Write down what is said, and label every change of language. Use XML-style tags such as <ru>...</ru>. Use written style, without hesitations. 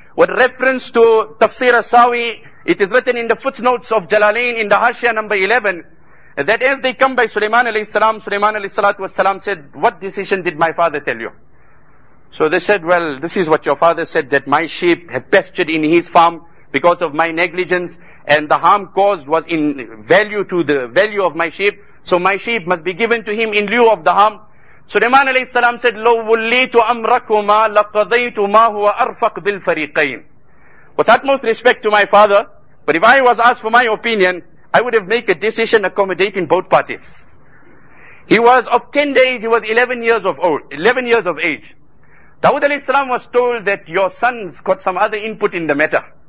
<en>With reference to Tafsir al-Sawi, it is written in the footnotes of Jalalain in the Hashia number 11, that as they come by Sulaiman alayhi salam, Sulaiman alayhi salatu wassalam said, what decision did my father tell you? So they said, well, this is what your father said, that my sheep had pestured in his farm because of my negligence, and the harm caused was in value to the value of my sheep. So my sheep must be given to him in lieu of the harm.</en> <ar>Sulaiman alayhi salam said, لَوْ وُلِّيْتُ أَمْرَكُمَا لَقَضَيْتُ مَا هُوَ أَرْفَقْ بِالْفَرِيقَيْنِ.</ar> <en>With utmost respect to my father, but if I was asked for my opinion, I would have made a decision accommodating both parties. He was of 10 days, he was 11 years of old, 11 years of age. Dawud alayhi salam was told that your sons got some other input in the matter.</en>